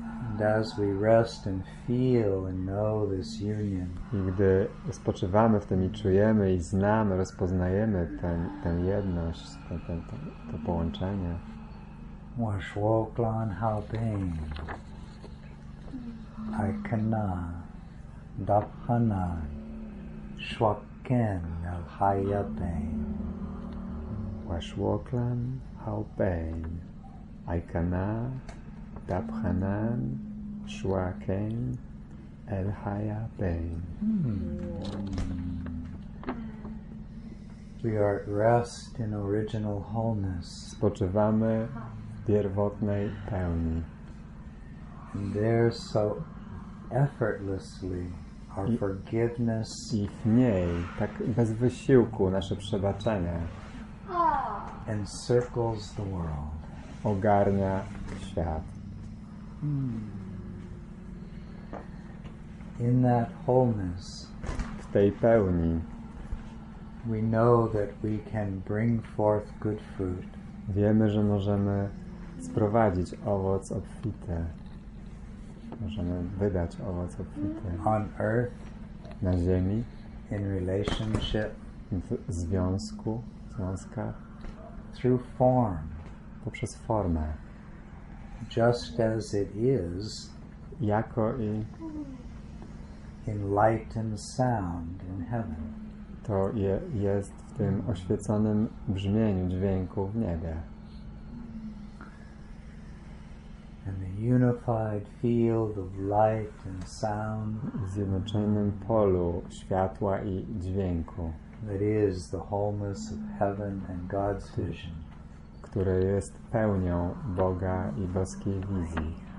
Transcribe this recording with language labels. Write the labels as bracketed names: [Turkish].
[English] And as we rest and feel and know this union, [Polish] i gdy spoczywamy w tym i czujemy i znamy, rozpoznajemy tę jedność, to połączenie. [Aramaic] Washwoklan halping, aikana, daphana, shwaken al hayapain. Washwoklan. How pain I cana daphanan shwaken el haya pain. [English] We are at rest in original wholeness. [Polish] Spoczywamy w pierwotnej pełni. [English] And there so effortlessly our forgiveness. [Polish] I w niej tak bez wysiłku nasze przebaczenie. [English] Encircles the world. [Polish] Ogarnia świat. [English] In that wholeness, [Polish] w tej pełni, [English] we know that we can bring forth good fruit. [Polish] Wiemy, że możemy sprowadzić owoc obfity. Możemy wydać owoc obfity. [English] On earth, [Polish] na ziemi, [English] in relationship, [Polish] w związku, w związkach. [English] Through form, [Polish] poprzez formę, [English] just as it is, [Polish] jako i [English] in light and sound in heaven. [Polish] To jest w tym oświeconym brzmieniu dźwięku w niebie. [English] And the unified field of light and sound. [Polish] W zjednoczonym polu światła i dźwięku. [English] That is the wholeness of heaven and God's vision. [Polish] Które jest pełnią Boga i boskiej wizji.